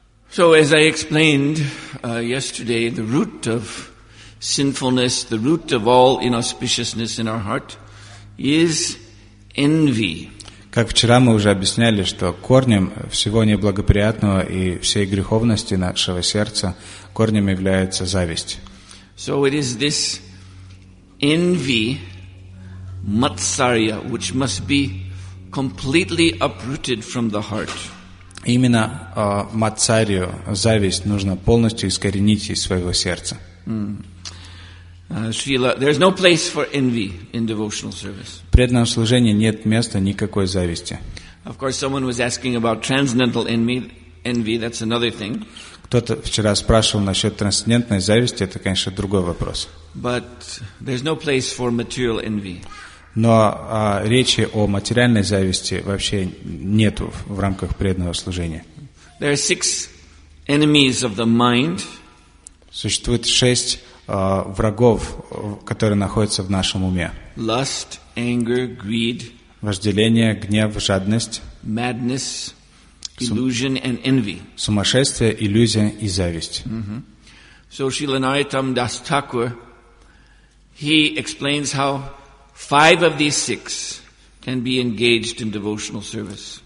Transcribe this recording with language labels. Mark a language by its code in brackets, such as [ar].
[en] So as I explained yesterday, the root of sinfulness, the root of all inauspiciousness in our heart is envy. [ru] Как вчера мы уже объясняли, что корнем всего неблагоприятного и всей греховности нашего сердца корнем является зависть. [en] So it is this envy, matsarya, which must be completely uprooted from the heart. [ru] Именно матсарию, зависть, нужно полностью искоренить из своего сердца. [en] Srila, there is no place for envy in devotional service. [ru] В преданном служении нет места никакой зависти. [en] Of course, someone was asking about transcendental envy. That's another thing. [ru] Кто-то вчера спрашивал насчет трансцендентной зависти. Это, конечно, другой вопрос. [en] But there's no place for material envy. [ru] Но речи о материальной зависти вообще нету в рамках преданного служения. [en] There are six enemies of the mind. [ru] Существует шесть врагов, которые находятся в нашем уме. [en] Lust, anger, greed, [ru] вожделение, гнев, жадность, [en] madness, illusion and envy. [ru] Сумасшествие, иллюзия и зависть. [en] So Srila Narottam Das Thakur, he explains how five of these six can be engaged in devotional service.